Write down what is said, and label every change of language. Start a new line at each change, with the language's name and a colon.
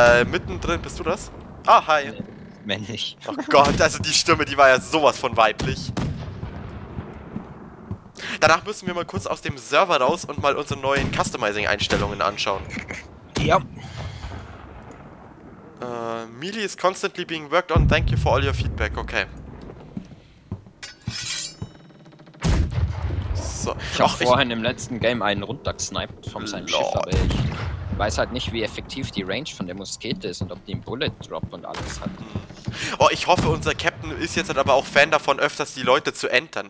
German: Mittendrin, bist du das? Ah, hi. Männlich. Oh Gott, also die Stimme, die war ja sowas von weiblich. Danach müssen wir mal kurz aus dem Server raus und mal unsere neuen Customizing-Einstellungen anschauen. Ja.
English: Mili is constantly being worked on. Thank you for all your feedback.
German: Okay. So. Ich habe vorhin im letzten Game einen runtergesniped von seinem Schiff, aber ich weiß halt nicht, wie effektiv die Range von der Muskete ist und ob die einen Bullet Drop und alles hat. Oh, ich hoffe, unser Captain ist jetzt halt aber auch Fan davon, öfters die Leute zu entern.